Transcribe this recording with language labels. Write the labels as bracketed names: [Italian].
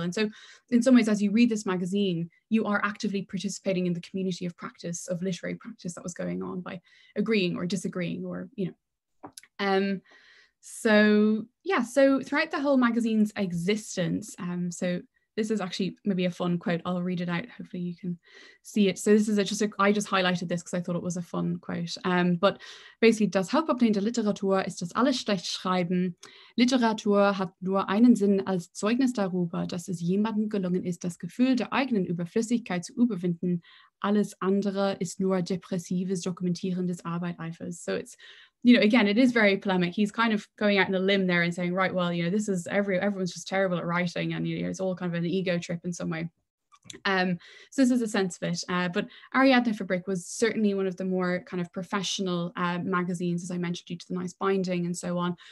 [English] And so in some ways, as you read this magazine, you are actively participating in the community of practice, of literary practice that was going on, by agreeing or disagreeing or, you know. So throughout the whole magazine's existence, so this is actually maybe a fun quote. I'll read it out. Hopefully you can see it. So this is I just highlighted this because I thought it was a fun quote. But basically, [German] Das Hauptproblem der Literatur ist, dass alle schlecht schreiben. Literatur hat nur einen Sinn als Zeugnis darüber, dass es jemandem gelungen ist, das Gefühl der eigenen Überflüssigkeit zu überwinden. Alles andere ist nur depressives Dokumentieren des Arbeiteifers. [English] So it's, you know, again, it is very polemic. He's kind of going out on a limb there and saying, right, well, you know, this is everyone's just terrible at writing, and, you know, it's all kind of an ego trip in some way. So this is a sense of it. But Ariadna Fabric was certainly one of the more kind of professional magazines, as I mentioned, due to the nice binding and so on.